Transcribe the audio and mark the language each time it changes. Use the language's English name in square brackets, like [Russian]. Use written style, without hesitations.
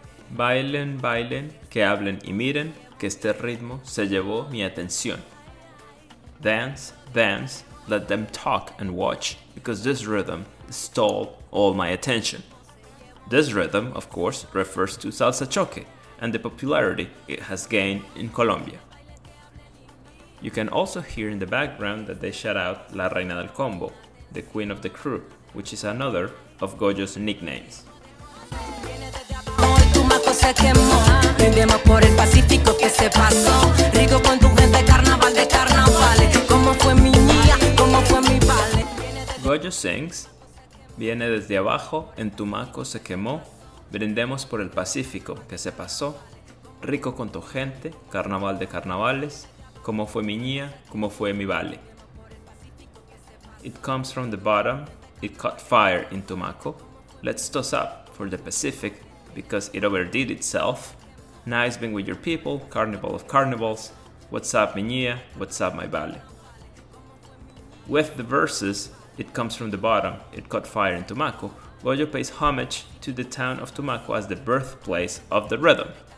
[Spanish] Bailen, bailen, que hablen y miren, que este ritmo se llevó mi atención. [English] Dance, dance, let them talk and watch, because this rhythm stole all my attention. This rhythm, of course, refers to salsa choque and the popularity it has gained in Colombia. You can also hear in the background that they shout out La Reina del Combo, the Queen of the Crew, which is another of Goyo's nicknames. [Spanish] Se quemó, brindemos por el Pacífico que se pasó. Rico con tu gente, carnaval de carnavales. Como fue mi niña, como fue mi vale. [English] Goyo sings. [Spanish] Viene desde abajo, en Tumaco se quemó. Brindemos por el Pacífico que se pasó. Rico con tu gente, carnaval de carnavales. Como fue mi niña, como fue mi vale. [English] It comes from the bottom, it caught fire in Tumaco. Let's toss up for the Pacific, because it overdid itself. Nice being with your people, carnival of carnivals. What's up, miñía? What's up, my vale? With the verses, it comes from the bottom, it caught fire in Tumaco, Goyo pays homage to the town of Tumaco as the birthplace of the rhythm.